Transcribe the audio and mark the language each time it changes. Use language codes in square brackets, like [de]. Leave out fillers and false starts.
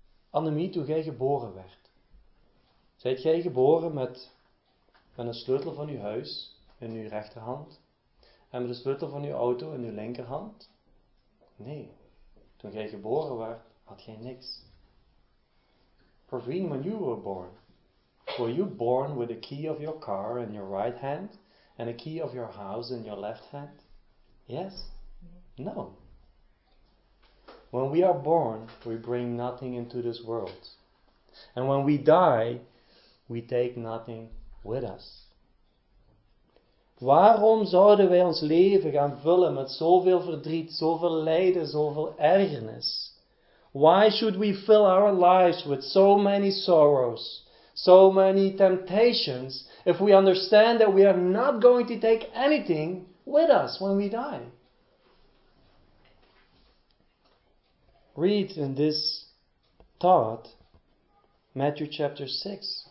[nl] Annemie, toen jij geboren werd, zijt jij geboren met een sleutel van je huis in je rechterhand en met de sleutel van je auto in je linkerhand? Nee, toen jij geboren werd, had jij niks. [en] Praveen, when you were born, were you born with a key of your car in your right hand and a key of your house in your left hand? Yes. No. When we are born, we bring nothing into this world. And when we die, we take nothing with us. [nl] Waarom zouden wij ons leven gaan vullen met zoveel verdriet, zoveel lijden, zoveel ergernis? [en] Why should we fill our lives with so many sorrows, so many temptations, if we understand that we are not going to take anything with us when we die? Read in this thought, Matthew chapter 6.